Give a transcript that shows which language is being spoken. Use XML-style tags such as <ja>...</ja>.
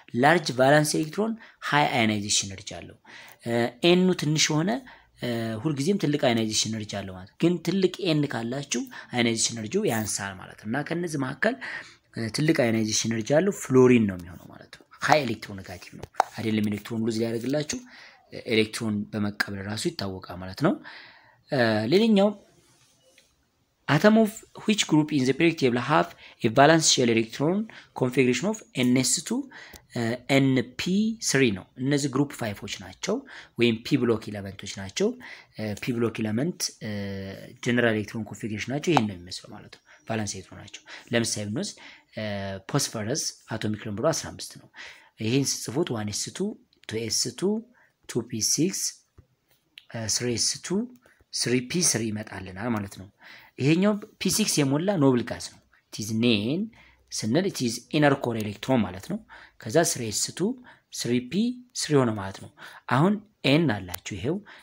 <am>ላርጅ ቫለንስ ኤሌክትሮን ሃይ አዮናይዜሽን ኤነርጂ አለው. n ትንሽ ሆነ ሁልጊዜም ትልቅ አዮናይዜሽን ኤነርጂ አለው ማለት ግን ትልቅ n ካላችሁ አዮናይዜሽን ኤነርጂው ያንሳል ማለት ነውና ከነዚህ መካከል ትልቅ አዮናይዜሽን ኤነርጂ አለው ፍሎሪን ነው የሚሆነው ማለት ነው. ሃይ ኤሌክትሮን ኔጋቲቭ ነው አይደለም? ኤሌክትሮን ሉዝ ሊያደርግላችሁ ኤሌክትሮን በመቀበል ራሱ ይታወቃል ማለት ነው. ሌላኛው አተም ኦፍ</am> <en>which group in the periodic table have a valence shell electron configuration of ns2 np3</en> <am>ነው. እነዚህ ግሩፕ 5 ዎች ናቸው ወይም p ብሎክ ኤሌመንቶች ናቸው. p ብሎክ ኤሌመንት ጀነራል ኤሌክትሮን ኮንፊግሬሽን ናቸው. ይሄን ነው የሚመስለው ማለት ነው. ቫለንስ ኤሌክትሮን ናቸው. ለምሳሌ ብንወስድ ፎስፈረስ አቶሚክ ነምበሩ 15 ነው. ይህን ስጽፉት 1 ኤስ 2 2 ኤስ 2 2 ፒ 6 3 ኤስ 2 3 ፒ 3 ይመጣልናል ማለት ነው። ይሄኛው ፒ 6 የሞላ ኖብል ጋዝ ነው። ኢት ኢዝ ኔን ስንል ኢት ኢዝ ኢነር ኮር ኤሌክትሮን ማለት ነው። ከዛ 3 ኤስ 2 3 ፒ 3 ሆነ ማለት ነው። አሁን ኤን አላችሁ ይሄው</am>